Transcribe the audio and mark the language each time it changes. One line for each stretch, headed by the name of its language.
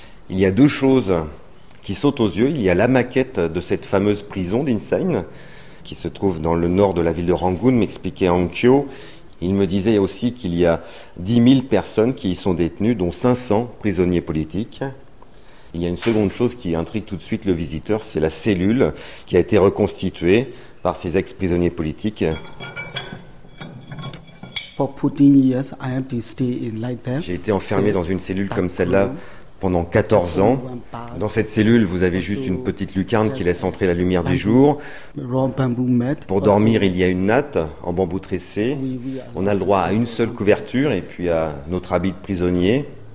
French: Il y a deux choses qui sautent aux yeux. Il y a la maquette de cette fameuse prison d'Insane, qui se trouve dans le nord de la ville de Rangoon, m'expliquait Ankyo. Il me disait aussi qu'il y a 10 000 personnes qui y sont détenues, dont 500 prisonniers politiques. Il y a une seconde chose qui intrigue tout de suite le visiteur, c'est la cellule qui a été reconstituée par ces ex-prisonniers politiques.
English: For 14 years, I have to stay in like that.
French: J'ai été enfermé dans une cellule comme celle-là pendant 14 ans. Dans cette cellule, vous avez juste une petite lucarne qui laisse entrer la lumière du jour. Pour dormir, il y a une natte en bambou tressé. On a le droit à une seule couverture et puis à notre habit de prisonnier.